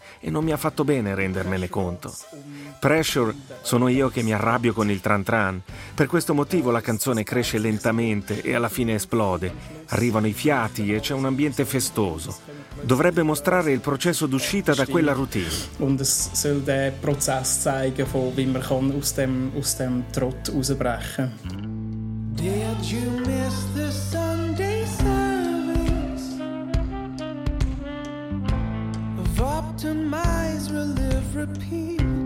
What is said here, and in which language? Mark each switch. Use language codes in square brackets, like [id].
[it] e non mi ha fatto bene rendermene conto. Pressure sono io che mi arrabbio con il tran tran. Per questo motivo la canzone cresce lentamente e alla fine esplode. Arrivano i fiati e c'è un ambiente festoso. Dovrebbe mostrare il processo d'uscita da quella routine. [de] Und es soll der Prozess zeigen, von wie man kann aus dem Trott rausbrechen. [en] Did you miss the Sunday service? Of optimize, relive, repeat.